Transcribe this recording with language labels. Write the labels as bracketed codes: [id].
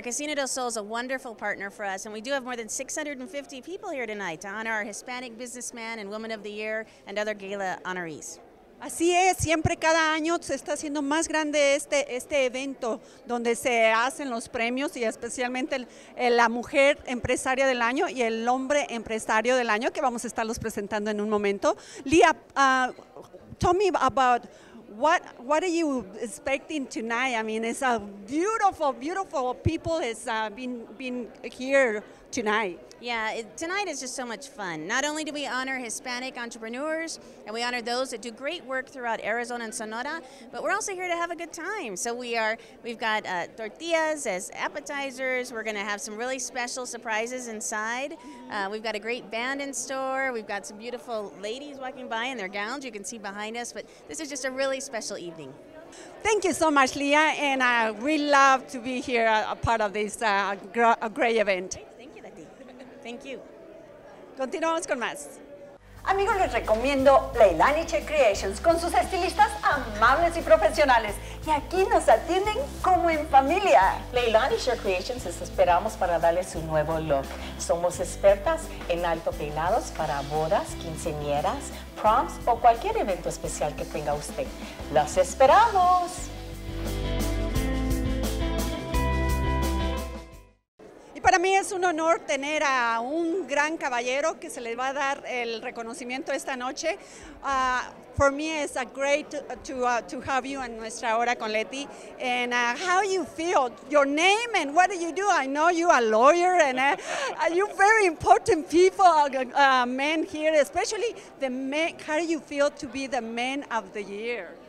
[en] Casino del Sol is a wonderful partner for us, and we do have more than 650 people here tonight to honor our Hispanic Businessman and Woman of the Year and other gala honorees. [es] Así es, siempre cada año se está haciendo más grande este evento donde se hacen los premios y especialmente la mujer empresaria del año y el hombre empresario del año, que vamos a estarlos presentando en un momento. [en] Leah, tell me about What are you expecting tonight? I mean, it's a beautiful, beautiful people has been here tonight. Yeah, tonight is just so much fun. Not only do we honor Hispanic entrepreneurs, and we honor those that do great work throughout Arizona and Sonora, but we're also here to have a good time. So we've got tortillas as appetizers. We're going to have some really special surprises inside. We've got a great band in store. We've got some beautiful ladies walking by in their gowns. You can see behind us, but this is just a really special evening. Thank you so much, Leah, and we love to be here a part of this great event. Thank you. [es] Continuamos con más. Amigos, les recomiendo Leilani Che Creations con sus estilistas amables y profesionales. Y aquí nos atienden como en familia. Leilani Che Creations, les esperamos para darles su nuevo look. Somos expertas en alto peinados para bodas, quinceañeras, proms o cualquier evento especial que tenga usted. ¡Los esperamos! Para mí es un honor tener a un gran caballero que se le va a dar el reconocimiento esta noche. [en] For me, it's a great to have you in Nuestra Hora con Leti. And how you feel? Your name and what do you do? I know you are a lawyer and you very important people, men here, especially the men. How do you feel to be the man of the year?